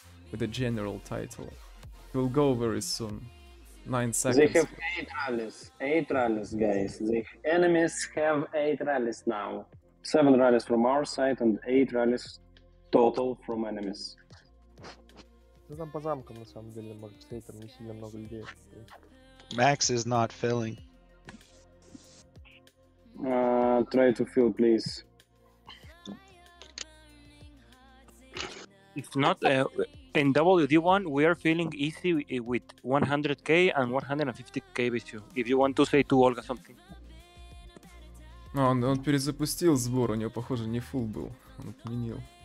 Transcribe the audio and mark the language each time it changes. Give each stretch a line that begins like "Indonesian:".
English: with a general title. We'll go very soon. 9 seconds. They have eight rallies, guys. The enemies have 8 rallies now. 7 rallies from our side and 8 rallies total from enemies.
Russian: Там по замкам на самом деле может стоять там не сильно много людей.
English: Max is not filling. Try to fill, please. If not, in WD1 we are filling easy with 100k and 150k BSU. If you want to say to Olga something.
Russian: No, он перезапустил сбор, у него похоже не full был, он отменил.